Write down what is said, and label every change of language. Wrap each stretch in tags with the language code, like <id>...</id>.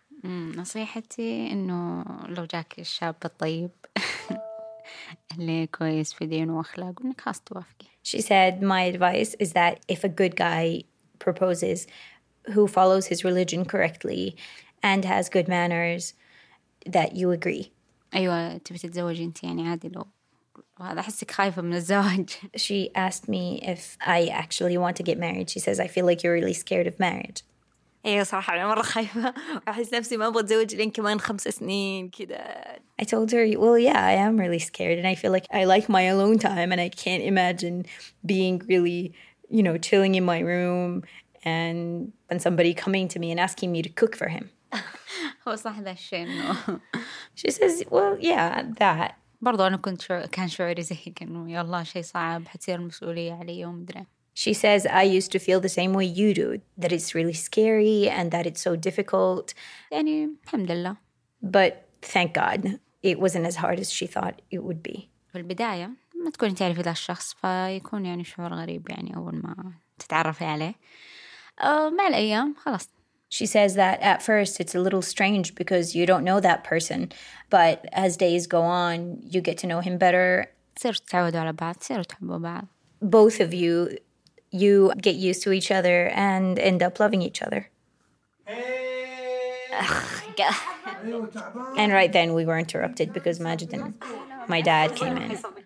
<ar>نصيحتي إنه لو جاك الشاب الطيب اللي كويس في دينه وأخلاقه إنك خاص توافقي.</ar> <en>She said my advice is that if a good guy proposes who follows his religion correctly and has good manners, that you agree.</en> <ar>أيوة تبي تتزوجي أنت يعني عادي لو هذا حسك خايفة من الزواج.</ar> <en>She asked me if I actually want to get married. She says I feel like you're really scared of marriage.</en> <ar>أيوة صراحة أنا مرة خايفة أحس نفسي ما أبغى أتزوج لين كمان 5 سنين كده.</ar> <en>I told her, well, yeah, I am really scared and I feel like I like my alone time and I can't imagine being really, you know, chilling in my room and somebody coming to me and asking me to cook for him. She says, well, yeah, that.</en> <ar>برضو أنا كان شعوري زيك إنه يا الله شيء صعب حتصير مسؤولية علي يوم أدري.</ar> <en>She says, I used to feel the same way you do, that it's really scary and that it's so difficult.</en> <ar>يعني الحمد لله.</ar> <en>But thank God, it wasn't as hard as she thought it would be.</en> <ar>في البداية ما تكوني تعرفي ذا الشخص فيكون يعني شعور غريب يعني أول ما تتعرفي عليه. مع الأيام خلاص.</ar> <en>She says that at first it's a little strange because you don't know that person, but as days go on, you get to know him better.</en> <ar>تصير تتعودوا على بعض، تصيروا تحبوا بعض.</ar> <en>Both of you, you get used to each other and end up loving each other. And right then we were interrupted because Majid and my dad came in.</en>